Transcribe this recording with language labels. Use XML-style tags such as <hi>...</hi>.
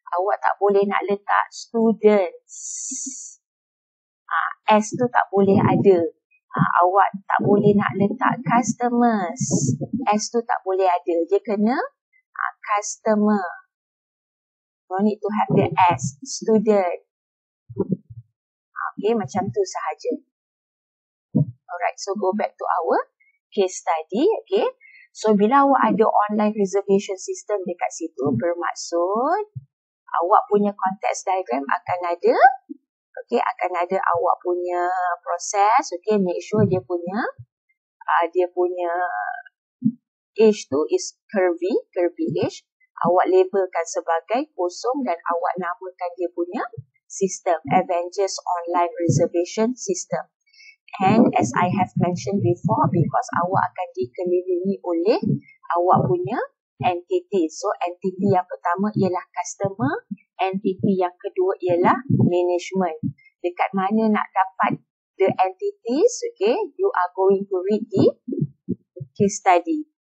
<ms>awak tak boleh nak letak students. S tu tak boleh ada. Awak tak boleh nak letak customers. S tu tak boleh ada. Dia kena customer.</ms> <en>You need to have the S, student. Okay,</en> <ms>macam tu sahaja.</ms> <en>Alright, so go back to our case study.</en> <ms>Okay, so bila awak ada online reservation system dekat situ, bermaksud awak punya context diagram akan ada, okay, akan ada awak punya proses, okay,</ms> <en>make sure</en> <ms>dia punya, dia punya H tu</ms> <en>is curvy, curvy H.</en> <ms>Awak labelkan sebagai kosong dan awak namakan dia punya system, Avengers Online Reservation System.</ms> <en>And as I have mentioned before, because</en> <ms>awak akan dikelilingi oleh awak punya entity. So, entity yang pertama ialah customer, entity yang kedua ialah management. Dekat mana nak dapat</ms> <en>the entities, okay, you are going to read the case study.</en>